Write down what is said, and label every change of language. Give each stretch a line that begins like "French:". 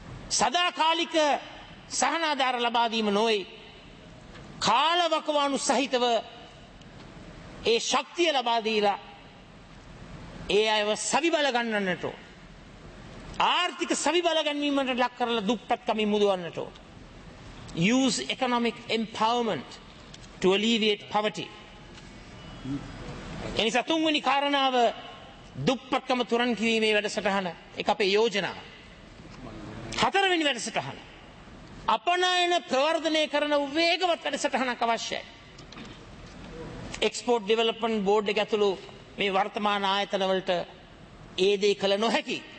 Sinhala: සදාකාලික සහනාධාර ලබා දීම නොවේ, කාලවකවානු සහිතව ඒ ශක්තිය ලබා දීලා ඒ අයව සවිබල ගන්නන්නට ඕන. ආර්ථික සවිබල ගැනීමට ලක් කරලා දුප්පත්කම මුදවන්නට ඕන.
English: Use economic empowerment to alleviate poverty.
Sinhala: එනිසා තුන්වෙනි කාරණාව දුප්පත්කම තුරන් කිරීමේ වැඩසටහන, ඒක අපේ යෝජනාව. හතරවෙනි වැඩසටහන, අපනයන ප්‍රවර්ධනය කරන වේගවත් වැඩසටහනක් අවශ්‍යයි. එක්ස්පෝර්ට් ඩෙවලොප්මන්ට් බෝඩ් එක ඇතුළු මේ වර්තමාන ආයතනවලට ඒ දේ කළ නොහැකි